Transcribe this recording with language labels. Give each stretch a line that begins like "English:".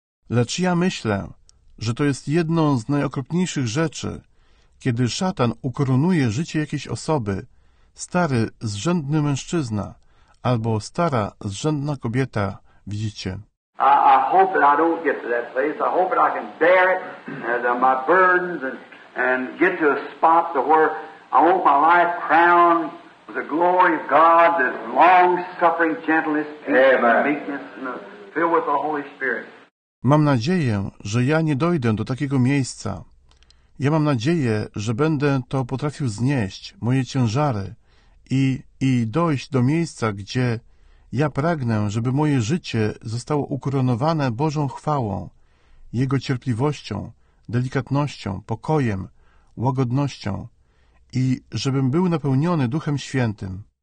Polish: Lecz ja myślę, że to jest jedną z najokropniejszych rzeczy, kiedy szatan ukoronuje życie jakiejś osoby, stary, zrzędny mężczyzna albo stara, zrzędna kobieta, widzicie.
English: I hope that I don't get to that place. I hope that I can bear it and my burdens and get to a spot to where I want my life crowned with the glory of God, the long-suffering gentleness, peace, and meekness, and filled with the Holy Spirit.
Polish: Mam nadzieję, że ja nie dojdę do takiego miejsca. Ja mam nadzieję, że będę to potrafił znieść, moje ciężary, i dojść do miejsca, gdzie ja pragnę, żeby moje życie zostało ukoronowane Bożą chwałą, Jego cierpliwością, delikatnością, pokojem, łagodnością i żebym był napełniony Duchem Świętym.